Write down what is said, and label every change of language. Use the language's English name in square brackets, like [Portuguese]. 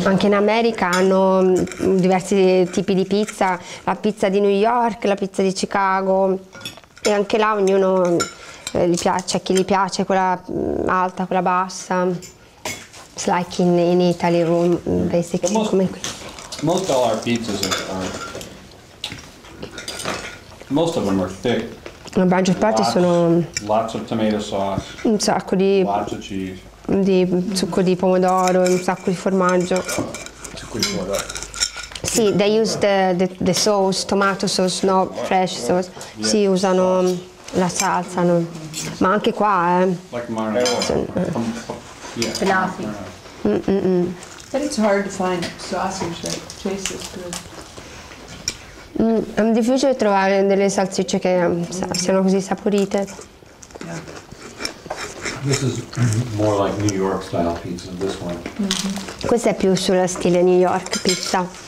[Italian] Anche in America hanno diversi tipi di pizza, la pizza di New York, la pizza di Chicago. E anche là ognuno gli piace, a chi gli piace quella alta, quella bassa. [English] It's like in Italy, basically. Most of our pizzas are most of them are thick. [Italian] La maggior parte sono [English] lots of tomato sauce. [Italian] Un sacco di [English] lots of cheese. [Italian] Di succo di pomodoro, un sacco di formaggio. Succo di pomodoro. [English] Sì, they use the sauce, tomato sauce, no fresh sauce. [Italian] Yeah. Sì, usano la salsa, no. Ma anche qua, [English] Like marinara. But it's hard to find sausage that tastes good. [Italian] È difficile trovare delle salsicce che siano così saporite. [English] This is more like New York style pizza, this one. Mm-hmm. [Italian] Questa è più sulla stile New York pizza.